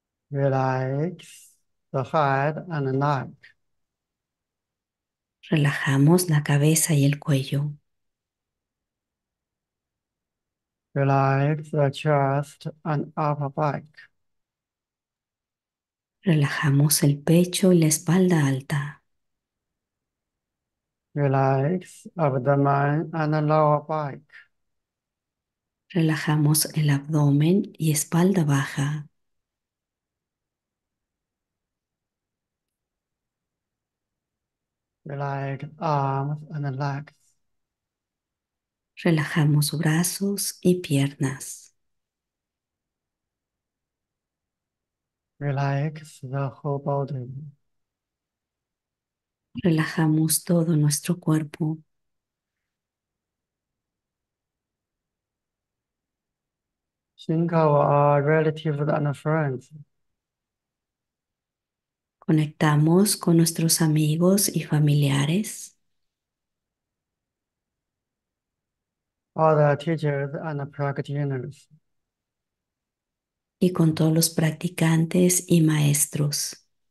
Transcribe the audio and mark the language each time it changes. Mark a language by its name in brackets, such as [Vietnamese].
[English] Relax the head and the neck. [Spanish] Relajamos la cabeza y el cuello. [English] Relax the chest and upper back. [Spanish] Relajamos el pecho y la espalda alta. [English] Relax abdomen and the lower back. [Spanish] Relajamos el abdomen y espalda baja. [English] Relax arms and legs. [Spanish] Relajamos brazos y piernas. [English] Relax the whole body. [Spanish] Relajamos todo nuestro cuerpo. [English] Think of our relatives and friends. [Spanish] Conectamos con nuestros amigos y familiares. [English] Other teachers and practitioners. [Spanish] y con todos los practicantes y maestros.